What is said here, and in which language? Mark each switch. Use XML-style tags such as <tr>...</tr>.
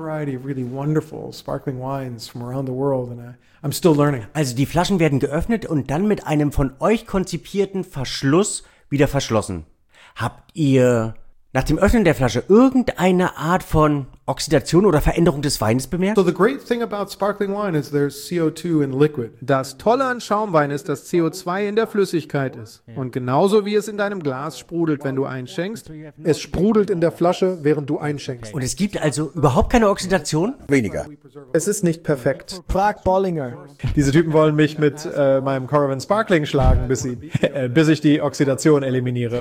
<de>Also die Flaschen werden geöffnet und dann mit einem von euch konzipierten Verschluss wieder verschlossen. Habt ihr nach dem Öffnen der Flasche irgendeine Art von Oxidation oder Veränderung des Weines bemerkt?</de> <en>So the great thing about sparkling wine is there's CO2 in liquid.</en> <de>Das Tolle an Schaumwein ist, dass CO2 in der Flüssigkeit ist. Und genauso wie es in deinem Glas sprudelt, wenn du einschenkst, es sprudelt in der Flasche, während du einschenkst. Und es gibt also überhaupt keine Oxidation? Weniger. Es ist nicht perfekt. Frag Bollinger. Diese Typen wollen mich mit meinem Coravin Sparkling schlagen, bis ich die Oxidation eliminiere.</de>